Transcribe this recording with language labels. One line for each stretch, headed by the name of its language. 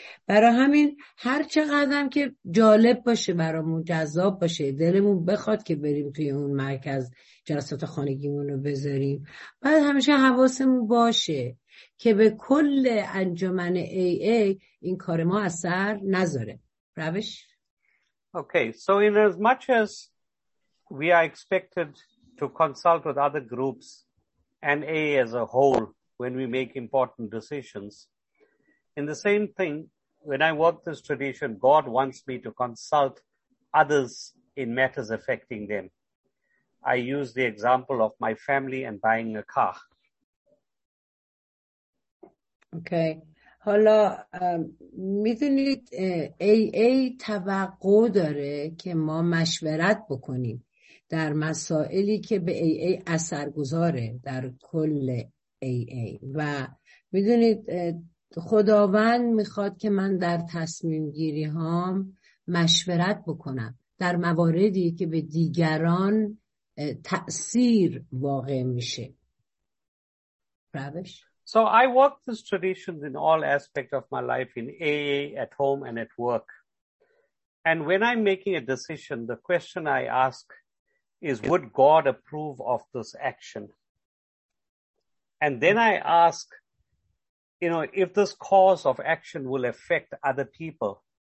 Persian: برای همین هر چقدر هم که جالب باشه برامون، جذاب باشه، دلمون بخواد که بریم توی اون مرکز جلسات خانگیمون رو بذاریم، بعد همیشه حواسمون باشه که به کل انجمن AA این کار ما اثر نذاره. روش؟
English: Okay, so in as much as we are expected to consult with other groups and AA as a whole when we make important decisions, in the same thing, when I work this tradition, God wants me to consult others in matters affecting them. I use the example of my family and buying a car. Okay.
Persian: حالا میدونید AA توقع داره که ما مشورت بکنیم در مسائلی که به AA اثرگذاره در کل AA، و میدونید خداوند میخواد که من در تصمیم گیری هام مشورت بکنم در مواردی که به دیگران تأثیر واقع میشه. روش؟
English: So I work this tradition in all aspects of my life, in AA, at home, and at work. And when I'm making a decision, the question I ask is, would God approve of this action? And then I ask, you know, if this course of action will affect other people.